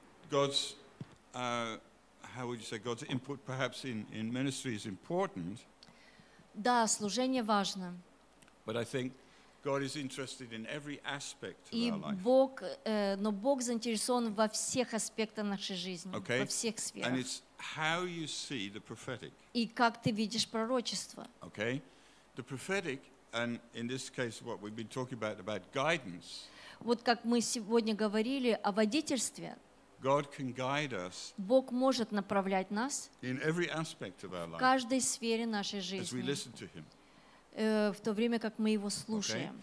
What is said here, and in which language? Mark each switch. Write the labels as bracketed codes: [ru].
[en] God's, how would you say, God's input perhaps in ministry is important. [ru] Да, служение важно. [en] But I think God is interested in every aspect of [ru] и [en] our life. [ru] Бог, но Бог заинтересован во всех аспектах нашей жизни, [en] okay? [ru] Во всех сферах. [en] And it's how you see the prophetic. [ru] И как ты видишь пророчество. [en] Okay, the prophetic, and in this case what we've been talking about guidance. [ru] Вот как мы сегодня говорили о водительстве. [en] God can guide us. [ru] Бог может направлять нас [en] in every aspect of our life. [ru] В каждой сфере нашей жизни. [en] As we listen to him. [ru] В то время как мы его слушаем.